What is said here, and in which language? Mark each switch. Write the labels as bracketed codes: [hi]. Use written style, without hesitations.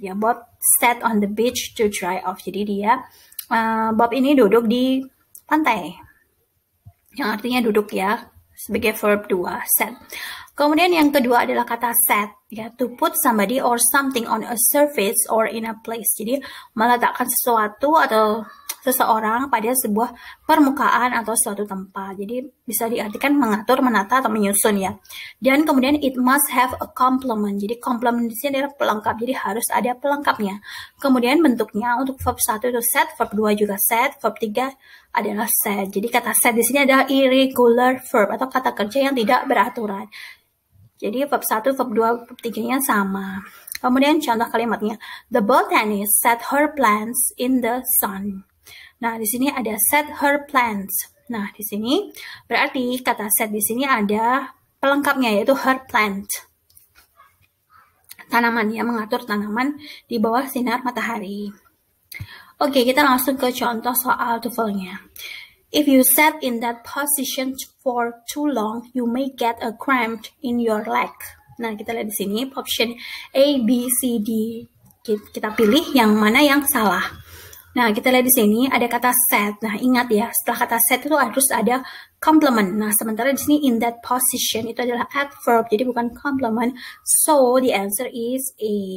[en] Ya, Bob sat on the beach to dry off. [id] Jadi dia, Bob ini duduk di pantai. Yang artinya duduk ya, sebagai verb dua, sat. Kemudian yang kedua adalah kata set, ya, [en] to put somebody or something on a surface or in a place. [id] Jadi meletakkan sesuatu atau seseorang pada sebuah permukaan atau suatu tempat. Jadi bisa diartikan mengatur, menata, atau menyusun ya. Dan kemudian [en] it must have a complement. [id] Jadi complement di sini adalah pelengkap. Jadi harus ada pelengkapnya. Kemudian bentuknya untuk verb 1 itu set, verb 2 juga set, verb 3 adalah set. Jadi kata set di sini adalah irregular verb atau kata kerja yang tidak beraturan. Jadi verb 1, verb 2, verb 3-nya sama. Kemudian contoh kalimatnya, [en] the botanist set her plants in the sun. [id] Nah, di sini ada set her plants. Nah, di sini berarti kata set di sini ada pelengkapnya yaitu her plant. Tanaman ya, mengatur tanaman di bawah sinar matahari. Oke, kita langsung ke contoh soal TOEFL-nya. [en] If you sat in that position for too long, you may get a cramp in your leg. [id] Nah, kita lihat di sini option A, B, C, D. Kita pilih yang mana yang salah. Nah, kita lihat di sini ada kata set. Nah, ingat ya, setelah kata set itu harus ada complement. Nah, sementara di sini in that position itu adalah adverb, jadi bukan complement. [en] So, the answer is A.